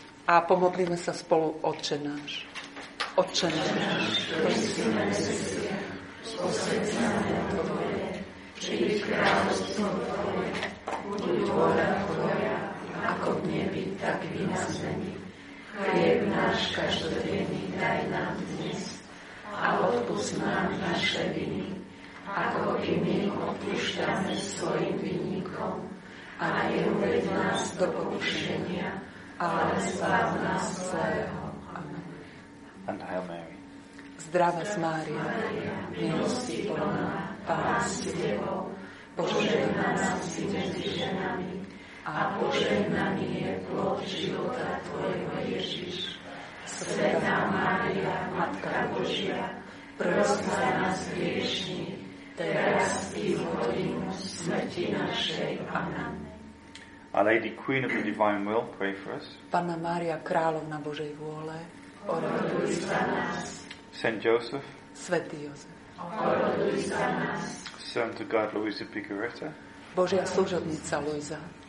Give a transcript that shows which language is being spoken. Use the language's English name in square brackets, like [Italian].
[Slovak] A pomodlíme sa spolu, Otče náš. Otče náš, ktorý si na nebesiach, posväť sa meno Tvoje, príď kráľovstvo Tvoje, buď vôľa Tvoja, ako v nebi, tak i na zemi. Chlieb náš každodenný daj nám dnes a odpusť nám naše viny, ako i my odpúšťame svojim vinníkom a neuveď nás do pokušenia, ale zbav nás zlého. [English] And Hail Mary. [Slovak] Zdravás Mária, milosti plná, Pán s tebou, požehnaná si medzi ženami a požehnaný je plod života tvojho Ježiš. Svätá Mária, Matka Božia, pros za nás hriešni, teraz i v hodinu smrti našej. Amen. [English] Our Lady, Queen of the Divine Will, pray for us. [Slovak] Panna Mária, Královna Božej vôle, oroduj za nás. [English] St. Joseph. [Slovak] Svätý Jozef. Oroduj za nás. [English] Servant of God, Luisa Pigaretta. [Slovak] Božia služobnica Luisa.